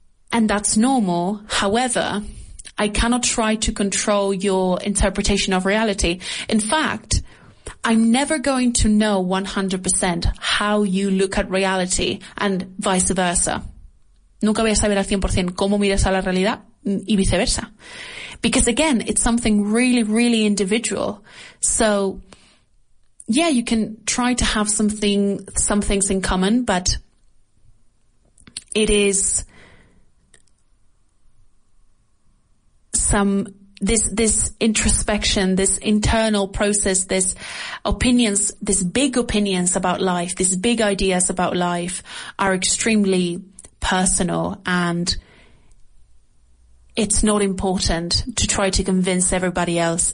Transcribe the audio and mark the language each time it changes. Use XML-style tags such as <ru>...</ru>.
<en>And that's normal. However, I cannot try to control your interpretation of reality. In fact, I'm never going to know 100% how you look at reality and vice versa.</en> <es>Nunca voy a saber al 100% cómo miras a la realidad y viceversa.</es> <en>Because again, it's something really, really individual. So yeah, you can try to have some things in common, but it is some this introspection, this internal process, this opinions, this big opinions about life, these big ideas about life are extremely personal, and it's not important to try to convince everybody else.</en>